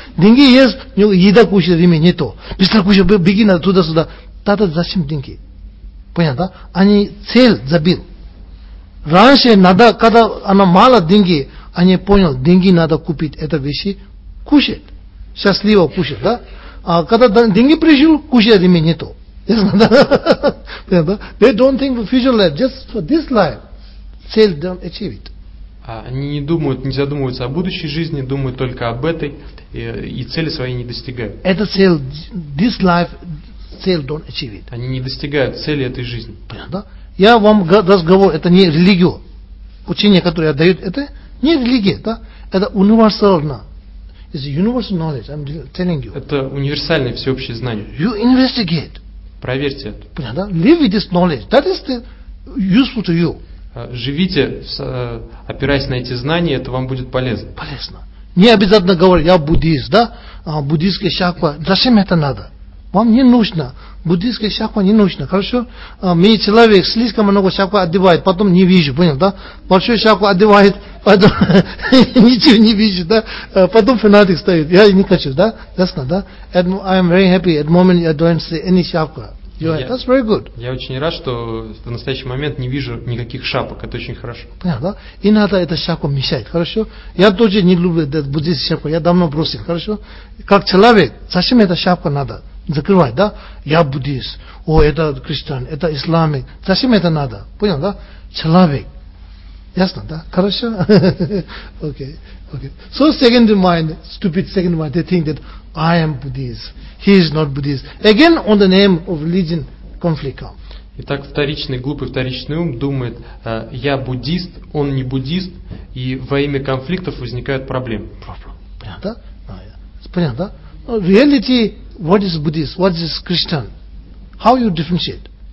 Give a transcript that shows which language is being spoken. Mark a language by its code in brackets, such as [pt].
[ru] Деньги есть, еда кушает, время не то. Быстро кушай, беги туда-сюда. Тогда зачем деньги? Понятно, да? Они цель забил. Раньше надо, когда она мало деньги, они понял, деньги надо купить, это вещи, кушать. Счастливо кушать, да? А когда деньги пришел, кушать ими не то. Ясно, да? Понятно, да? [en] They don't think for future life, just for this life. Цель don't achieve it. [ru] Они не думают, не задумываются о будущей жизни, думают только об этой, и цели свои не достигают. Это цель, [en] this life, цель don't achieve it. [ru] Они не достигают цели этой жизни. Понятно, да? Я вам разговор, это не религия. Учение, которое я даю, это не религия, да? Это универсально. [en] It's universal knowledge, I'm telling you. [ru] Это универсальное всеобщее знание. [en] You investigate. [ru] Проверьте это. Понятно, да? [en] Live with this knowledge. That is the useful to you. [ru] Живите, опираясь на эти знания, это вам будет полезно. Полезно. Не обязательно говорить, я буддист, да? Буддийская шаква. Зачем это надо? Вам не нужно. Буддийская шаква не нужна, хорошо? Мне человек слишком много шакву одевает, потом не вижу, понял, да? Большую шакву одевает, потом ничего не вижу, да? Потом фанатик стоит, я не хочу, да? Ясно, да? [en] I'm very happy at the moment I don't see any шапка. That's very good. [ru] Я очень рад, что в настоящий момент не вижу никаких шапок, это очень хорошо. Понял, да? Иногда эта шапка мешает, хорошо? Я тоже не люблю эту буддийскую шапку, я давно бросил, хорошо? Как человек, зачем эта шапка надо? Закрывай, да? Я буддист. О, это христиан, это исламик. Зачем это надо? Понял, да? Человек. Ясно, да? Хорошо? Окей. Okay. [en] So second mind, stupid second mind, they think that I am Buddhist. He is not Buddhist. Again, on the name of religion, conflict comes. [ru] Итак, вторичный, глупый вторичный ум думает, я буддист, он не буддист, и во имя конфликтов возникают проблемы. [en] Problem. [ru] Понял, да? Понял, да? [en] Reality, what is Buddhist? What is Christian? How you differentiate?